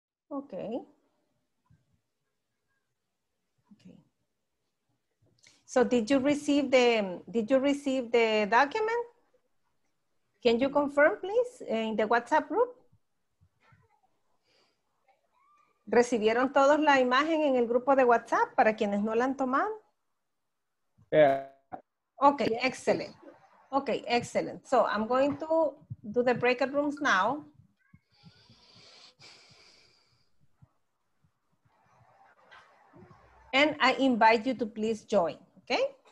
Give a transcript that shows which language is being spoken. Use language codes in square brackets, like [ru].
[en] Okay. So did you receive the document? Can you confirm, please, in the WhatsApp group? [es] ¿Recibieron todos la imagen en el grupo de WhatsApp para quienes no la han tomado? [en] Yeah. Okay, excellent. Okay, excellent. So I'm going to do the breakout rooms now. And I invite you to please join, okay?